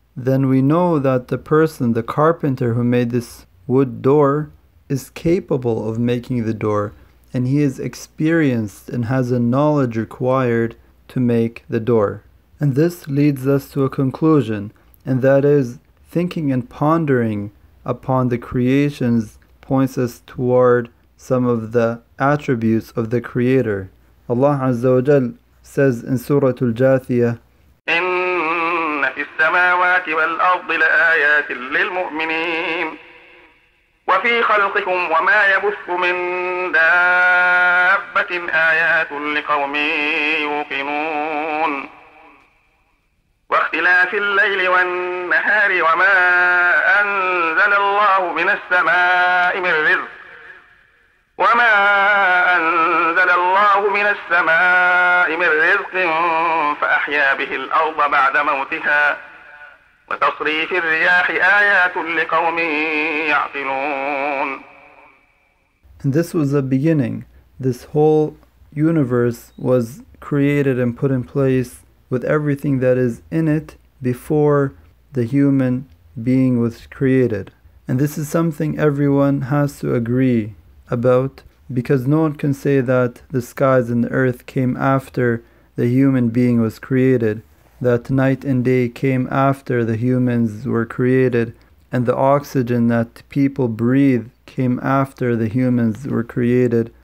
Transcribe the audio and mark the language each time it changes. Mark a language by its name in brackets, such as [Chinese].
[English] Then we know that the person, the carpenter who made this wood door, is capable of making the door, and he is experienced and has the knowledge required to make the door. And this leads us to a conclusion, and that is, thinking and pondering upon the creations points us toward some of the attributes of the Creator. Allah Azza wa Jal says in Surah Al-Jathiyah, [Arabic] إِنَّ فِي السَّمَاوَاتِ وَالْأَرْضِ لَآيَاتٍ لِلْمُؤْمِنِينَ وَفِي خَلْقِكُمْ وَمَا يَبُثُّ مِنْ دَابَّةٍ آيَاتٌ لِقَوْمٍ يُوقِنُونَ واختلاف الليل والنهار وما أنزل الله من السماء من رزق وما أنزل الله من السماء من رزق فأحيا به الأرض بعد موتها وتصريف الرياح آيات لقوم يعقلون. [English] And this was the beginning. This whole universe was created and put in place with everything that is in it before the human being was created. And this is something everyone has to agree about, because no one can say that the skies and the earth came after the human being was created, that night and day came after the humans were created, and the oxygen that people breathe came after the humans were created.